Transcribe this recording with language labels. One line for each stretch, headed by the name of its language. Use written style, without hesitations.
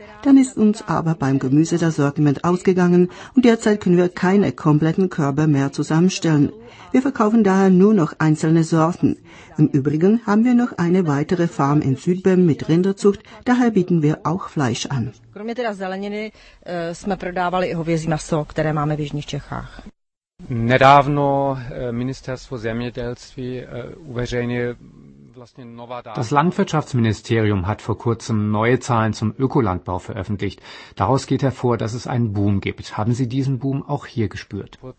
German: Dann ist uns aber beim Gemüse das Sortiment ausgegangen und derzeit können wir keine kompletten Körbe mehr zusammenstellen. Wir verkaufen daher nur noch einzelne Sorten. Im Übrigen haben wir noch eine weitere Farm in Südböhmen mit Rinderzucht, daher bieten wir auch Fleisch an.
Czech: Kromě teda zeleniny jsme prodávali i hovězí maso, které máme v jižních Čechách. Nedávno ministerstvo zemědělství uveřejnilo
German: Das Landwirtschaftsministerium hat vor kurzem neue Zahlen zum Ökolandbau veröffentlicht. Daraus geht hervor, dass es einen Boom gibt. Haben Sie diesen Boom auch hier gespürt?